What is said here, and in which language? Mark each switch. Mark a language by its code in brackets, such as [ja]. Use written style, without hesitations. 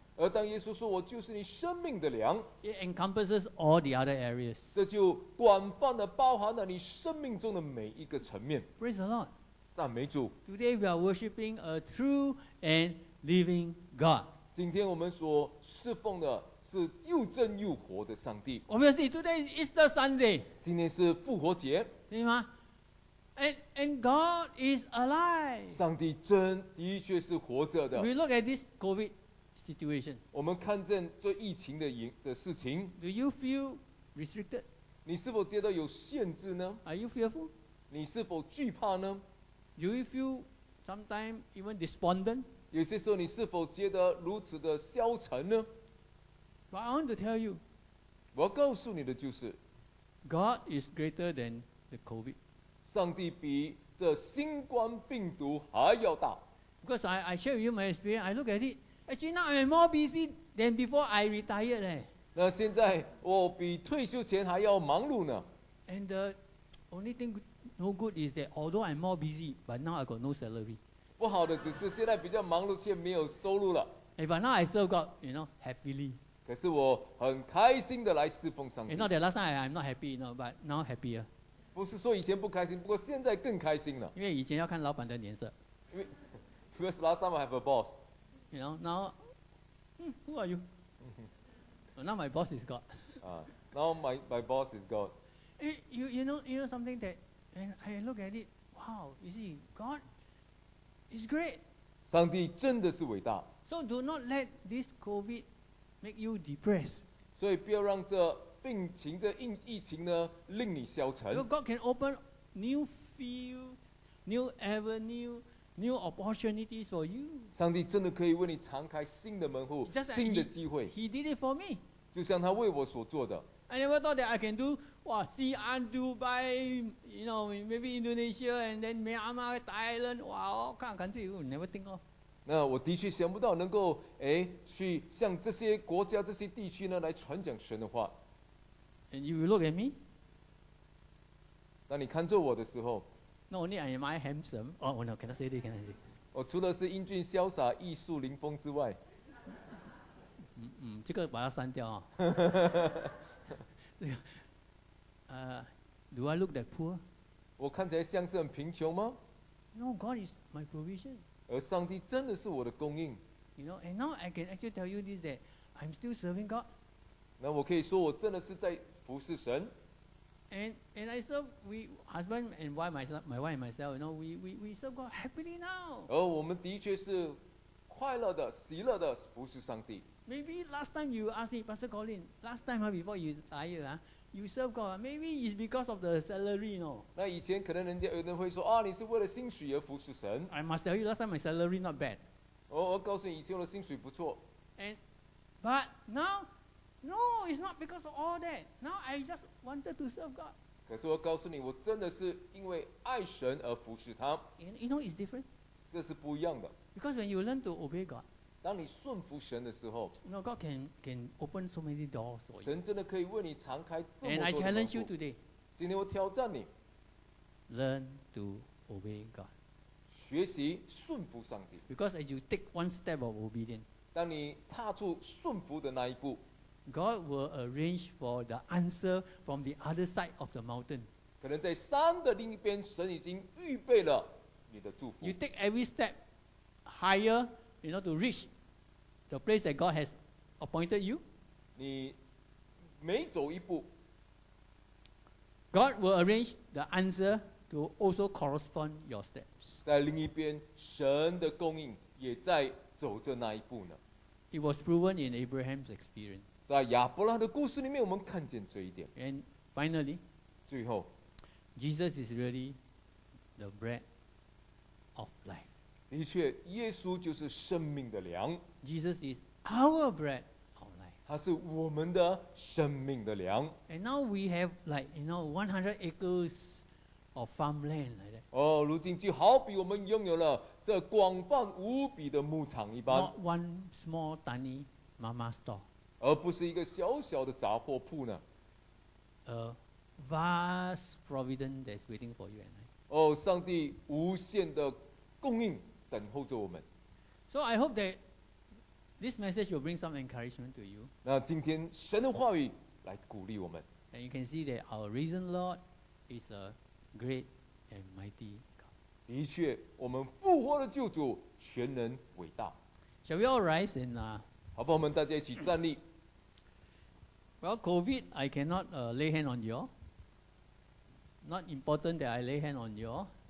[zh] 而当耶稣说我就是你生命的粮， [en] It encompasses all the other areas. [zh] 这就广泛的包含了你生命中的每一个层面。 [en] Praise the Lord. [zh] 赞美主。 [en] Today we are worshiping a true and living God. [zh] 今天我们所侍奉的是又真又活的上帝。 [en] Obviously, today is Easter Sunday. [zh] 今天是复活节。对吗？ [en] And God is alive. [zh] 上帝真的确是活着的。 [en] We look at this COVID situation. [zh] 我们看见这疫情的事情。 [en] Do you feel restricted? [zh] 你是否觉得有限制呢？ [en] Are you fearful? [zh] 你是否惧怕呢？ [en] Do you feel sometimes even despondent? [zh] 有些时候你是否觉得如此的消沉呢？ [en] But I want to tell you. [zh] 我要告诉你的就是， [en] God is greater than the COVID. [zh] 上帝比这新冠病毒还要大。 [en] Because I share with you my experience, I look at it. Actually, now I'm more busy than before I retired. [zh] 那现在我比退休前还要忙碌呢。 [en] And the only thing no good is that although I'm more busy, but now I got no salary. [zh] 不好的只是现在比较忙碌却没有收入了。 [en] But now I serve God, you know, happily. [zh] 可是我很开心的来侍奉上帝。 [en] And not that last time I'm not happy, you know, but now happier. [zh] 不是说以前不开心，不过现在更开心了。因为以前要看老板的脸色。因为 [en] last time I have a boss. You know, now, who are you? Well, now my boss is God. Now my boss is God. You know something that when I look at it, wow, you see, God is great. [zh] 上帝真的是伟大。 [en] So do not let this COVID make you depressed. [zh] 所以不要让这病情的疫情呢令你消沉。 [en] So God can open new fields, new avenue, new opportunities for you. [zh] 上帝真的可以为你敞开新的门户、 [en] Just、 [zh] 新的机会。 [en] He did it for me. [zh] 就像他为我所做的。 [en] I never thought that I can do, wow, Xi'an, Dubai, you know, maybe Indonesia, and then Myanmar, Thailand, wow, all kind of country, you never think of. [zh] 那我的确想不到能够去向这些国家、这些地区呢来传讲神的话。 [en] And you look at me. [zh] 当你看着我的时候 [en] ，Not only am I handsome, oh no, cannot say this, cannot say. [zh] 我除了是英俊潇洒、艺术临风之外，这个把它删掉啊。这个， [en] do I look that poor? [zh] 我看起来像是很贫穷吗 [en] ？No, God is my provision. [zh] 而上帝真的是我的供应。 [en] You know, and now I can actually tell you this that I'm still serving God. [zh] 那我可以说我真的是在服侍神。 [en] And I serve we husband and wife myself, my wife and myself, you know, we serve God happily now. [zh] 而我们的确是快乐的、喜乐的服侍上帝。 [en] Maybe last time you asked me, Pastor Colin, last time before you retire, you serve God. Maybe it's because of the salary, you know. [zh] 那以前可能有人会说啊，你是为了薪水而服侍神。 [en] I must tell you, last time my salary not bad. [zh] 我告诉你，以前我的薪水不错。 [en] But now. No, it's not because of all that. Now I just wanted to serve God. [zh] 可是我告诉你，我真的是因为爱神而服侍他。 [en] You know, it's different. [zh] 这是不一样的。 [en] Because when you learn to obey God, [zh] 当你顺服神的时候 [en] you know, God can open so many doors for you. [zh] 神真的可以为你敞开这么多的门户。 [en] And I challenge you today. [zh] 今天我挑战你。 [en] Learn to obey God. [zh] 学习顺服上帝。 [en] Because as you take one step of obedience, [zh] 当你踏出顺服的那一步， [en] God will arrange for the answer from the other side of the mountain. [zh] 可能在山的另一边，神已经预备了你的祝福。 [en] You take every step higher, you know, to reach the place that God has appointed you. [zh] 你每走一步 [en] ，God will arrange the answer to also correspond your steps. [zh] 在另一边，神的供应也在走着那一步呢。 [en] It was proven in Abraham's experience. [zh] 在亚伯拉的故事里面，我们看见这一点。 [en] And finally, [zh] 最后 [en] ，Jesus is really the bread of life. [zh] 的确，耶稣就是生命的粮。 [en] Jesus is our bread of life. [zh] 他是我们的生命的粮。 [en] And now we have like you know 100 acres of farmland like that. [zh] 哦，如今就好比我们拥有了这广泛无比的牧场一般。 [en] Not one small tiny mama store. [zh] 而不是一个小小的杂货铺呢。 [en] A vast providence that's waiting for you and I. [zh] 哦，上帝无限的供应等候着我们。 [en] So I hope that this message will bring some encouragement to you. [zh] 那今天神的话语来鼓励我们。 [en] And you can see that our risen Lord is a great and mighty God. [zh] 的确，我们复活的救主全能伟大。 [en] Shall we all rise and [zh] 好不好？我们大家一起站立。 [en] Well, COVID, I cannot lay hand on you all. Not important that I lay hand on you all.